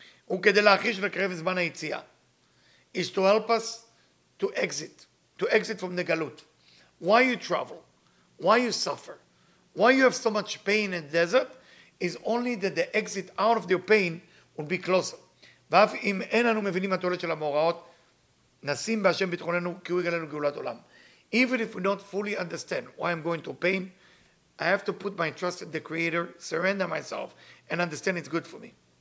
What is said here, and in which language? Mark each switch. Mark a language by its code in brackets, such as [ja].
[he] Ukedel ha-achish v'krev zman ha-yitzia. [en] Is to help us to exit from the galut. Why you travel? Why you suffer? Why you have so much pain in the desert? Is only that the exit out of your pain will be closer. [he] ואף אם אין אנו מבינים התועלת של המאורעות, נשים בהשם ביטחוננו, כי הוא יגלה לנו גאולת עולם. [en] Even if we don't fully understand why I'm going through pain, I have to put my trust in the Creator, surrender myself, and understand it's good for me.